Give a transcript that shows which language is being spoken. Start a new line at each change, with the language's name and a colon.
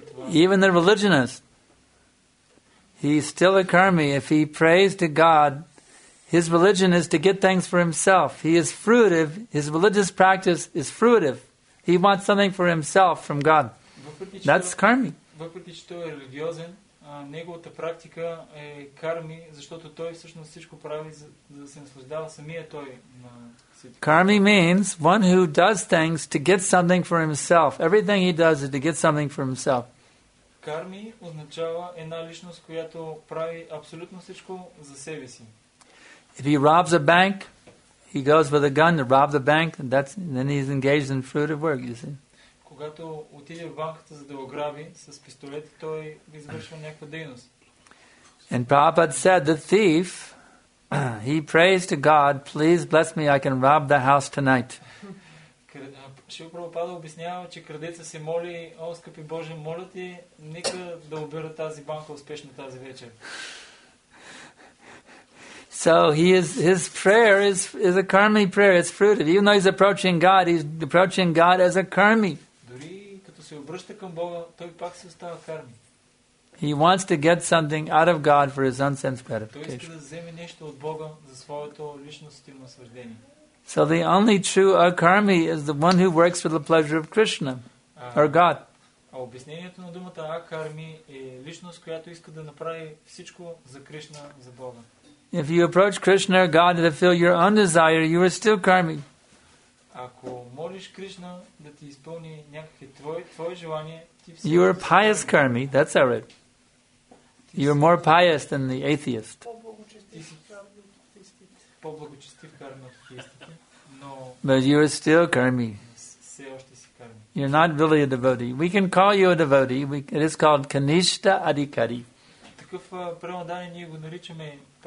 English: Even the religionist, he's still a karmi. If he prays to God, his religion is to get things for himself. He is fruitive. His religious practice is fruitive. He wants something for himself from God. That's karmi.
Bulgarian: Въпреки че той е религиозен, неговата практика е карми, защото той всъщност всичко прави за да се наслаждава самия той на света.
English: Karmi means one who does things to get something for himself. Everything he does is to get something for himself.
Bulgarian: Карми означава една личност, която прави абсолютно всичко за себе си.
English: If he robs a bank, he goes with a gun to rob the bank, and then he's engaged in fruitive work, you see.
Bulgarian: Когато отиде в банката за да го грави с пистолет, той извършва някаква дейност.
English: And Prabhupada said, the thief, he prays to God, please bless me, I can rob the house tonight.
Bulgarian: Шрила Прабхупада обяснява, че крадеца се моли, о, скъпи Боже, моля ти, нека да убера тази банка успешно тази вечер.
English: So his prayer is a karmi prayer. It's fruitive. Even though he's approaching God as a karmi.
Bulgarian: Дори като се обръща към Бога, той пак се остава карми.
English: He wants to get something out of God for his own sense gratification.
Bulgarian: Той иска да вземе нещо от Бога за своето лично наслаждение.
English: So the only true akarmi is the one who works for the pleasure of Krishna or God.
Bulgarian: А обяснението на думата акарми е личност, която иска да направи всичко за Кришна, за Бога.
English: If you approach Krishna or God to fulfill your own desire, you are still karmi.
Bulgarian: Ако молиш Кришна да ти изпълни някакви твои желания, ти
English: си. You are pious karmi. That's all right. You are more pious than the atheist.
Bulgarian: По-благочестив карми от атеистите.
English: But you are still karmi.
Bulgarian: Все още си карми.
English: You're not really a devotee. We can call you a devotee. It is called Kanishta Adhikari.
Bulgarian: Такъв преводане ние го наричаме.